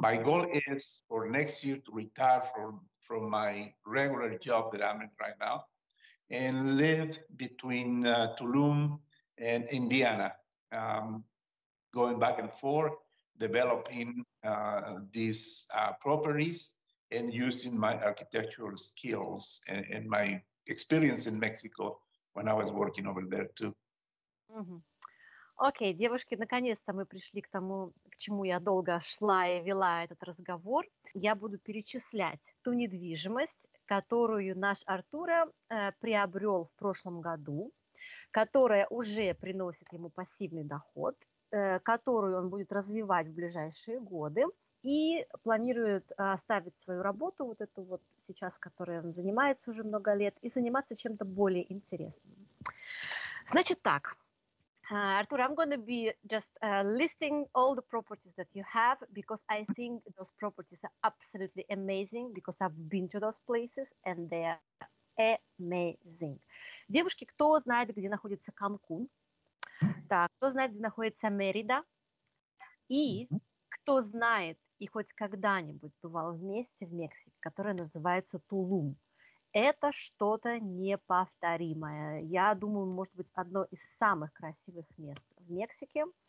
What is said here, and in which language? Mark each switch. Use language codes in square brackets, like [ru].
[en] My goal is for next year to retire from my regular job that I'm in right now and live between Tulum and Indiana. Going back and forth, developing these properties and using my architectural skills and my experience in Mexico when I was working over there too. [ru] Окей, девушки, наконец-то мы пришли к тому, к чему я долго шла и вела этот разговор. Я буду перечислять ту недвижимость, которую наш Артура приобрел в прошлом году, которая уже приносит ему пассивный доход, которую он будет развивать в ближайшие годы и планирует оставить свою работу, вот эту вот сейчас, которой он занимается уже много лет, и заниматься чем-то более интересным. Значит так, [en] Артур, I'm going to be just listing all the properties that you have, because I think those properties are absolutely amazing, because I've been to those places and they are amazing. [ru] Девушки, кто знает, где находится Канкун? Так, кто знает, где находится Мерида, и кто знает и хоть когда-нибудь бывал вместе в Мексике, которая называется Тулум. Это что-то неповторимое. Я думаю, может быть, одно из самых красивых мест в Мексике.